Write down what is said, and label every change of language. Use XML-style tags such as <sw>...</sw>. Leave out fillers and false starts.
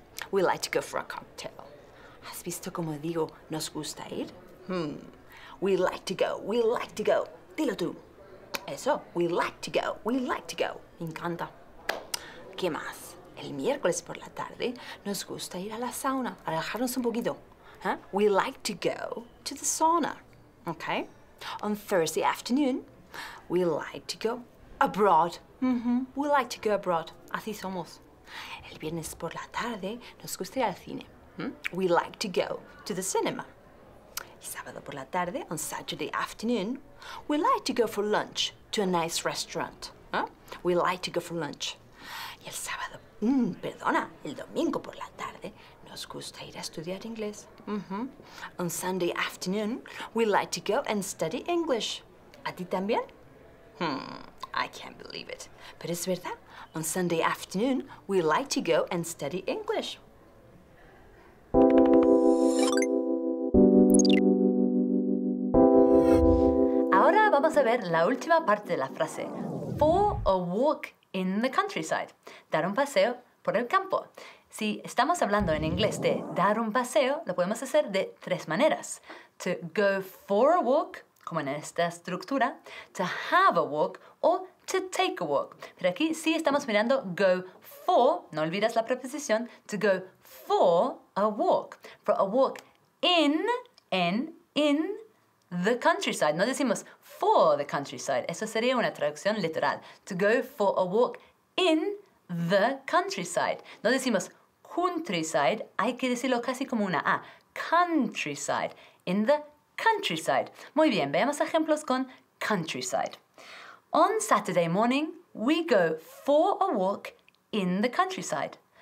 <en>We like to go for a cocktail.</en> <es>¿Has visto cómo digo nos gusta ir?</es> <en>We like to go, we like to go.</en> <es>Dilo tú. Eso,</es> <en>we like to go, we like to go.</en> <es>Me encanta. ¿Qué más? El miércoles por la tarde nos gusta ir a la sauna, a relajarnos un poquito.</es> <en>We like to go to the sauna, okay? On Thursday afternoon, we like to go abroad. We like to go abroad.</en> <es>Así somos. El viernes por la tarde nos gusta ir al cine.</es> <en>We like to go to the cinema.</en> <es>Y sábado por la tarde,</es> <en>on Saturday afternoon, we like to go for lunch to a nice restaurant. We like to go for lunch.</en> <es>Y el sábado, el domingo por la tarde, nos gusta ir a estudiar inglés.</es> <en>On Sunday afternoon, we like to go and study English.</en> <es>¿A ti también?</es> <en>I can't believe it.</en> <es>Pero es verdad.</es> <en>On Sunday afternoon, we like to go and study English.</en> <es>Ahora vamos a ver la última parte de la frase.</es> <en>For a walk in the countryside.</en> <es>Dar un paseo por el campo. Si estamos hablando en inglés de dar un paseo, lo podemos hacer de tres maneras.</es> <en>To go for a walk,</en> <es>como en esta estructura.</es> <en>To have a walk o to take a walk.</en> <es>Pero aquí sí estamos mirando go for, no olvidas la preposición,</es> <en>to go for a walk. For a walk in the countryside.</en> <es>No decimos</es> <en>for the countryside.</en> <es>Eso sería una traducción literal.</es> <en>To go for a walk in the countryside.</en> <es>No decimos countryside, hay que decirlo casi como una A.</es> <en>Countryside. In the countryside.</en> <es>Muy bien, veamos ejemplos con countryside.</es> <en>On Saturday morning, we go for a walk in the countryside.</en>